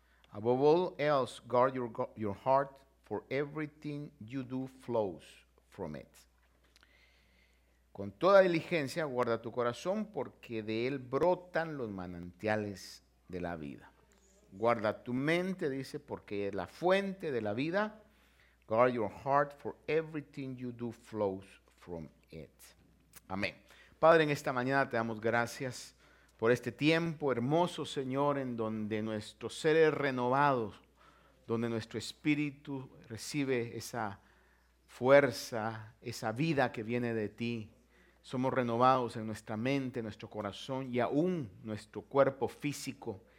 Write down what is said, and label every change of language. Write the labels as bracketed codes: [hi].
[en] Above all else, guard your heart, for everything you do flows from it. [es] Con toda diligencia, guarda tu corazón, porque de él brotan los manantiales de la vida. Guarda tu mente, dice, porque es la fuente de la vida. [en] Guard your heart, for everything you do flows from it. [es] Amén. Padre, en esta mañana te damos gracias por este tiempo hermoso, Señor, en donde nuestro ser es renovado, donde nuestro espíritu recibe esa fuerza, esa vida que viene de ti. Somos renovados en nuestra mente, nuestro corazón y aún nuestro cuerpo físico.